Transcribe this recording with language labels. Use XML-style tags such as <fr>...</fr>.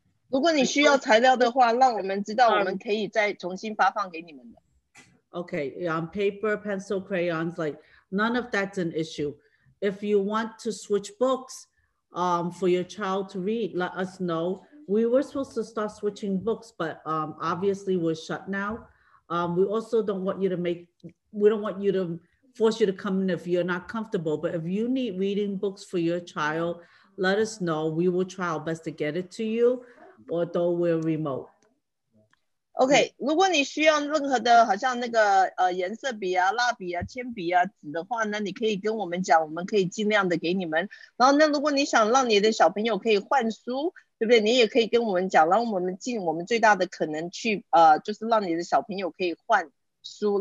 <zh>如果你需要材料的话，让我们知道，我们可以再重新发放给你们的。</zh> <en>Paper, pencil, crayons, like none of that's an issue. If you want to switch books, for your child to read, let us know. We were supposed to start switching books, but obviously we're shut now. We also don't want you to make, we don't want you to force you to come in if you're not comfortable. But if you need reading books for your child, let us know. We will try our best to get it to you, although we're remote.</en> <zh>OK，如果你需要任何的，好像那个颜色笔啊、蜡笔啊、铅笔啊、纸的话呢，你可以跟我们讲，我们可以尽量的给你们。然后呢，如果你想让你的小朋友可以换书，对不对？你也可以跟我们讲，然后我们尽我们最大的可能去就是让你的小朋友可以换书。</zh>